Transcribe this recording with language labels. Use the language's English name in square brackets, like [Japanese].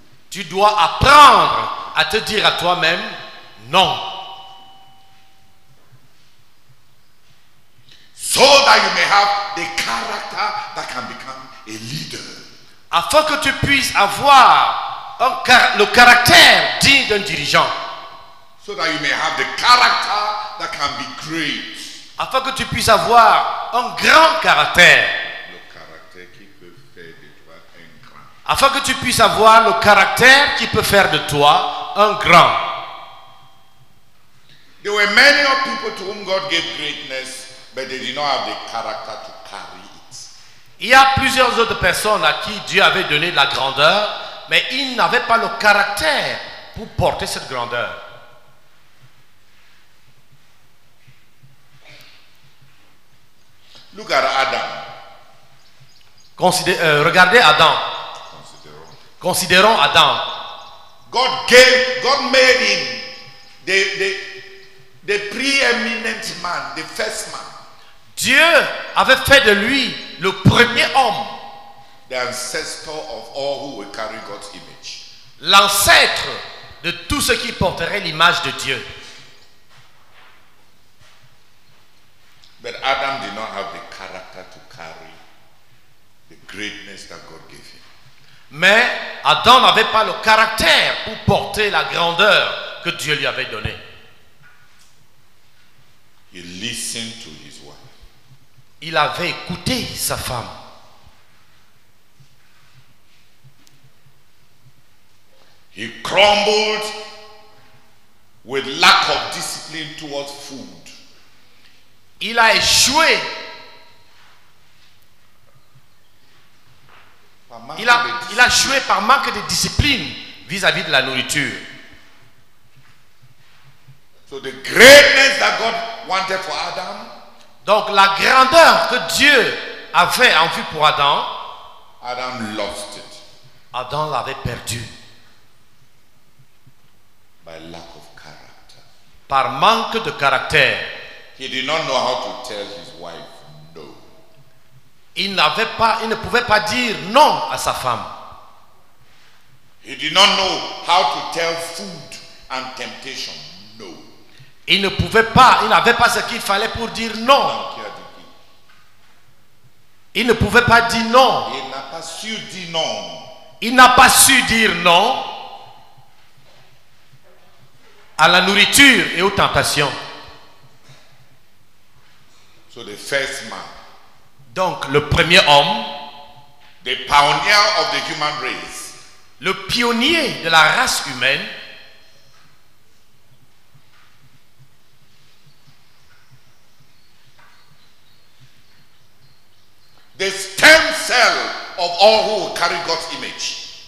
[French] Tu dois apprendre à te dire à toi-même non. [English] So that you may have the character that can become a leader. [French] Afin que tu puisses avoir le caractère digne d'un dirigeant. [English] So that you may have the character that can be great. [French] Afin que tu puisses avoir un grand caractère. Le caractère qui peut faire de toi un grand. Afin que tu puisses avoir le caractère qui peut faire de toi un grand. [English] There were many of people to whom God gave greatness, but they did not have the character to carry it. [French] Il y a plusieurs autres personnes à qui Dieu avait donné de la grandeur, mais ils n'avaient pas le caractère pour porter cette grandeur. [English] Look at Adam. [French] Regardez Adam. Considérons Adam. [English] God made him the preeminent man, the first man. [French] Dieu avait fait de lui le premier homme. [English] The ancestor of all who will carry God's image. [French] L'ancêtre de tous ceux qui porteraient l'image de Dieu. [English] But Adam did not have the character to carry the greatness that God gave him. [French] Mais Adam n'avait pas le caractère pour porter la grandeur que Dieu lui avait donnée. [English] He listened to his wife. [French] Il avait écouté sa femme. [English] He crumbled with lack of discipline towards food. [French] Il a échoué. Il a échoué par manque de discipline vis-à-vis de la nourriture. [English] So the greatness that God wanted for Adam. [French] Donc la grandeur que Dieu avait en vue pour Adam. [English] Adam lost it. [French] Adam l'avait perdu. [English] By lack of character. [French] Par manque de caractère. [English] He did not know how to tell his wife no. [French] Il ne pouvait pas dire non à sa femme. [English] He did not know how to tell food and temptation. [French] Il ne pouvait pas, il n'avait pas ce qu'il fallait pour dire non. Il ne pouvait pas dire non. Il n'a pas su dire non. Il n'a pas su dire non à la nourriture et aux tentations. [English] So the first man, [French] donc le premier homme, [English] the pioneer of the human race, [French] le pionnier de la race humaine, [English] the stem cell of all who will carry God's image.